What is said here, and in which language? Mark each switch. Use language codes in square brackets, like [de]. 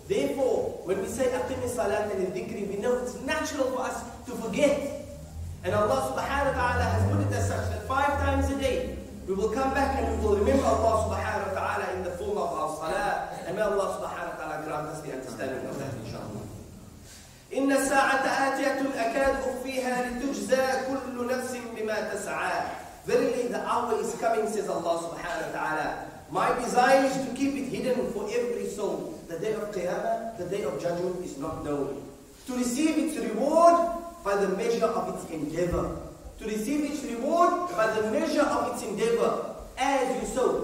[en] Therefore, when we say [ar] aqim as-salat al-dhikri, [en] we know it's natural for us to forget. And Allah subhanahu wa ta'ala has put it as such that 5 times a day, we will come back and we will remember Allah subhanahu wa ta'ala in the form of our salah. And may Allah subhanahu wa ta'ala grant us the understanding of that, inshaAllah. [ar] إن الساعة آتية أكاد فيها لتجزى كل نفس بما تسعى. [en] Verily the hour is coming, says Allah subhanahu wa ta'ala. My desire is to keep it hidden for every soul. The day of Qiyamah, the day of judgment is not known. To receive its reward by the measure of its endeavor. To receive its reward by the measure of its endeavor. As you sow.